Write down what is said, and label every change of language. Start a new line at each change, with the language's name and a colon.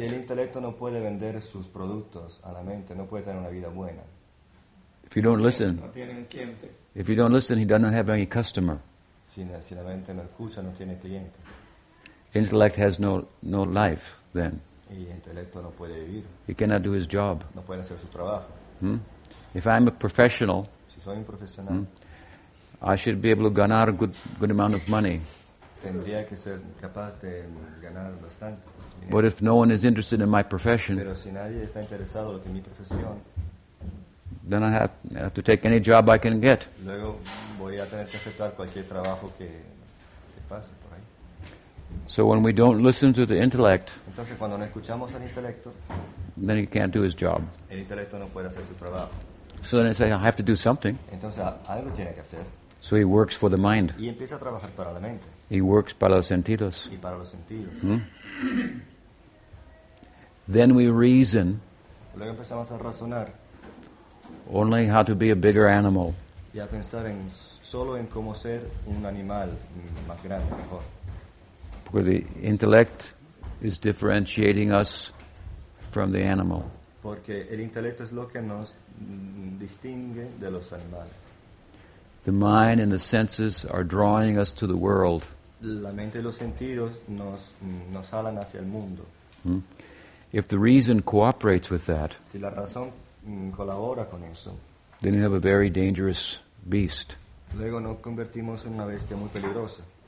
Spanish: Si el intelecto no puede vender sus productos a la mente, no puede tener una vida buena.
English: If you don't listen, if you don't listen, he doesn't have any customer.
Spanish: Si la mente no escucha, no tiene cliente.
English: Intellect has no life then.
Spanish: Y el intelecto no puede vivir.
English: He cannot do his job.
Spanish: No puede hacer su trabajo.
English: If I'm a professional,
Spanish: si soy un profesional,
English: I should be able to ganar a good amount of money.
Spanish: Tendría que ser capaz de ganar bastante.
English: But if no one is interested in my profession,
Spanish: pero si nadie está interesado en mi profesión,
English: then I have to take any job I can get.
Spanish: Luego voy a tener que aceptar cualquier trabajo que pase por ahí.
English: So when we don't listen to the intellect,
Spanish: entonces cuando no escuchamos al intelecto,
English: then he can't do his job.
Spanish: El intelecto no puede hacer su trabajo.
English: So then I say, I have to do something.
Spanish: Entonces algo tiene que hacer.
English: So he works for the mind.
Spanish: Y empieza a trabajar para la mente.
English: He works
Spanish: para los sentidos. Y para los sentidos.
English: Then we reason.
Spanish: Luego empezamos a razonar.
English: Only how to be a bigger animal.
Spanish: Y a pensar en solo en cómo ser un animal más grande, mejor.
English: Because the intellect is differentiating us from the animal.
Spanish: Porque el intelecto es lo que nos distingue de los animales.
English: The mind and the senses are drawing us to the world.
Spanish: La mente y los sentidos nos jalan hacia el mundo.
English: If the reason cooperates with that,
Spanish: si la razón colabora con eso,
English: then you have a very dangerous beast.
Spanish: Luego nos convertimos en una bestia muy peligrosa.